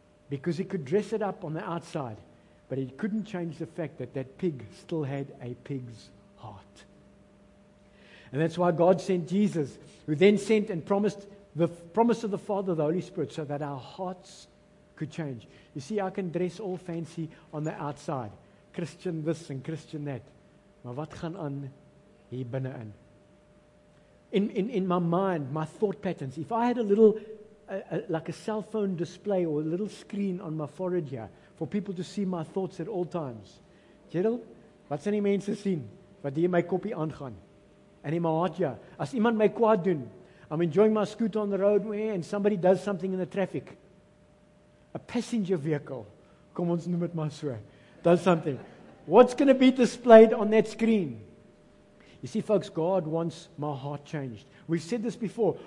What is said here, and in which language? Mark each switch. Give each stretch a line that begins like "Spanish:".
English: Because he could dress it up on the outside, but he couldn't change the fact that that pig still had a pig's heart. And that's why God sent Jesus, who then sent and promised the promise of the Father, the Holy Spirit, so that our hearts could change. You see, I can dress all fancy on the outside. Christian this and Christian that.
Afrikaans: Maar wat gaan aan hier binnenin?
English: In my mind, my thought patterns. If I had a little, like a cell phone display or a little screen on my forehead here, for people to see my thoughts at all times.
Afrikaans: Gerald, wat zijn die mense sien? Wat hier in my kopie aangaan? En in my hart, ja. As iemand my kwaad doen,
English: I'm enjoying my scooter on the roadway and somebody does something in the traffic. A passenger vehicle.
Afrikaans: Kom ons noem het maar so.
English: Does something. What's going to be displayed on that screen? You see, folks, God wants my heart changed. We've said this before.